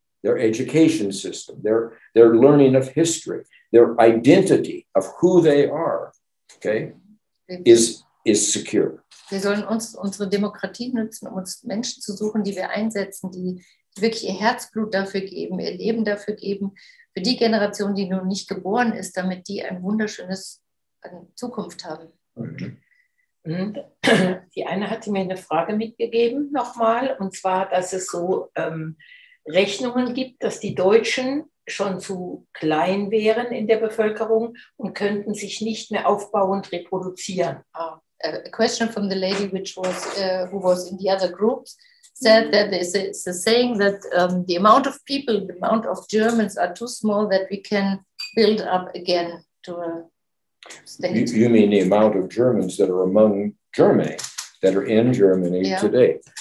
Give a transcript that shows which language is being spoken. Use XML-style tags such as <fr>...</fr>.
<en>Their education system, their learning of history, their identity of who they are, okay, is secure.</en> <de>Wir sollen unsere Demokratie nutzen, um uns Menschen zu suchen, die wir einsetzen, die wirklich ihr Herzblut dafür geben, ihr Leben dafür geben, für die Generation, die nun nicht geboren ist, damit die ein wunderschönes Zukunft haben. Mhm. Die eine hatte mir eine Frage mitgegeben nochmal, und zwar, dass es so Rechnungen gibt, dass die Deutschen schon zu klein wären in der Bevölkerung und könnten sich nicht mehr aufbauend reproduzieren.</de> <en>A question from the lady who was in the other group said that it's a saying that the amount of people, the amount of Germans are too small that we can build up again to a state. You mean the amount of Germans that are among Germany, that are in Germany today?</en>